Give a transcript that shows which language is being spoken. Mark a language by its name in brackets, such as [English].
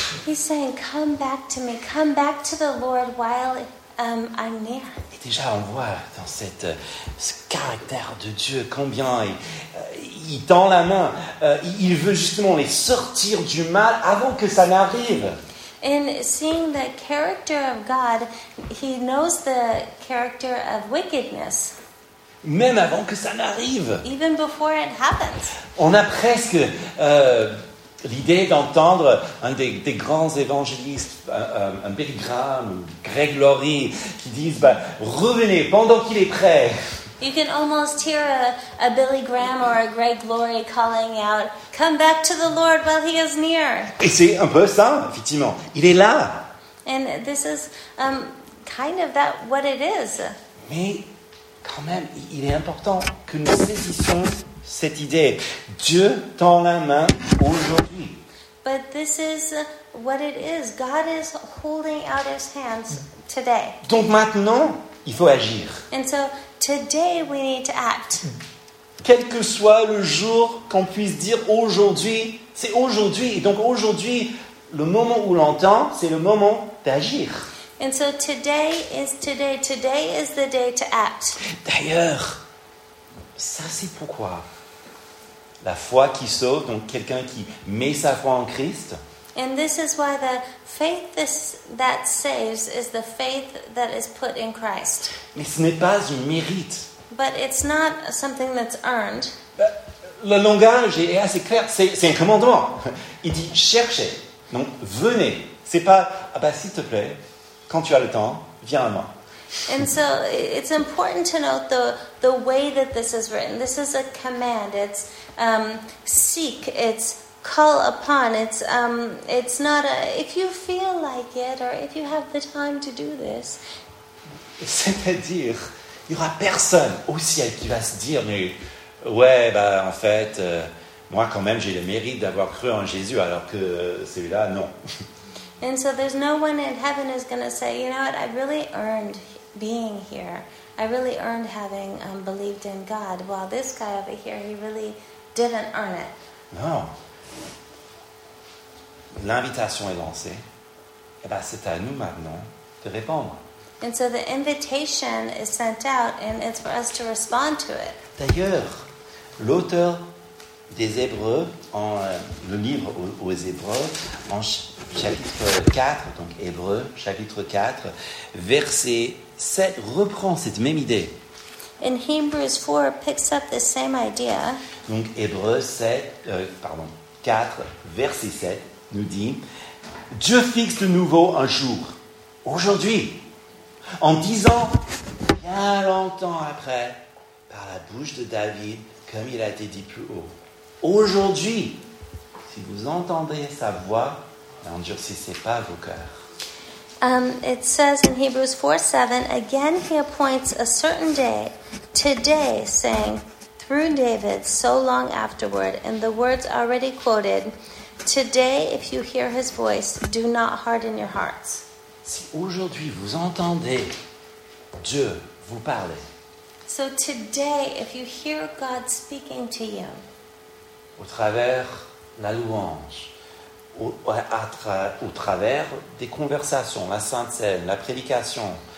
[English] He's saying, come back to me, come back to the Lord while I'm near. [French] Et déjà, on voit dans ce caractère de Dieu combien il tend la main. Il veut justement les sortir du mal avant que ça n'arrive. [English] And seeing the character of God, he knows the character of wickedness. [French] Même avant que ça n'arrive. [English] Even before it happens. [French] On a presque l'idée d'entendre un des grands évangélistes, un Billy Graham ou Greg Laurie, qui disent, revenez pendant qu'il est prêt. [English] You can almost hear a Billy Graham or a Greg Laurie calling out, come back to the Lord while he is near. [French] Et c'est un peu ça, effectivement. Il est là. [English] And this is kind of that what it is. [French] Mais quand même, il est important que nous saisissions cette idée. Dieu tend la main aujourd'hui. [English] But this is what it is. God is holding out his hands today. [French] Donc maintenant, il faut agir. [English] And so today we need to act. [French] Quel que soit le jour qu'on puisse dire aujourd'hui, c'est aujourd'hui. Donc aujourd'hui, le moment où l'entend, c'est le moment d'agir. [English] And so today is today. Today is the day to act. [French] D'ailleurs, ça c'est pourquoi la foi qui sauve, donc quelqu'un qui met sa foi en Christ. [English] And this is why the faith that saves is the faith that is put in Christ. [French] Mais ce n'est pas un mérite. [English] But it's not something that's earned. [French] Le langage est assez clair. C'est un commandement. Il dit cherchez. Donc venez. C'est pas s'il te plaît. Quand tu as le temps, viens à moi. [English] And so it's important to note the way that this is written. This is a command. It's seek. It's call upon. It's not a if you feel like it or if you have the time to do this. [French] C'est-à-dire, il n'y aura personne au ciel qui va se dire mais ouais en fait moi quand même j'ai le mérite d'avoir cru en Jésus alors que celui-là non. [English] And so there's no one in heaven is going to say, you know what, I've really earned being here. I really earned having believed in God. While this guy over here, he really didn't earn it. No. [French] L'invitation est lancée. Et c'est à nous maintenant de répondre. [English] And so the invitation is sent out and it's for us to respond to it. [French] D'ailleurs, l'auteur des Hébreux, le livre aux Hébreux, en chapitre 4, donc Hébreux, chapitre 4, verset 7, reprend cette même idée. [English] In Hebrews 4, picks up the same idea. [French] Donc Hébreux 4, verset 7, nous dit, « Dieu fixe de nouveau un jour, aujourd'hui, en disant, bien longtemps après, par la bouche de David, comme il a été dit plus haut. » Aujourd'hui, si vous entendez sa voix, n'endurcissez pas vos cœurs. [English] It says in Hebrews 4:7, again he appoints a certain day, today, saying, through David, so long afterward, in the words already quoted, today, if you hear his voice, do not harden your hearts. [French] Si aujourd'hui vous entendez Dieu vous parler. [English] So today, if you hear God speaking to you, [French] au travers la louange, au travers des conversations, la Sainte Cène, la prédication.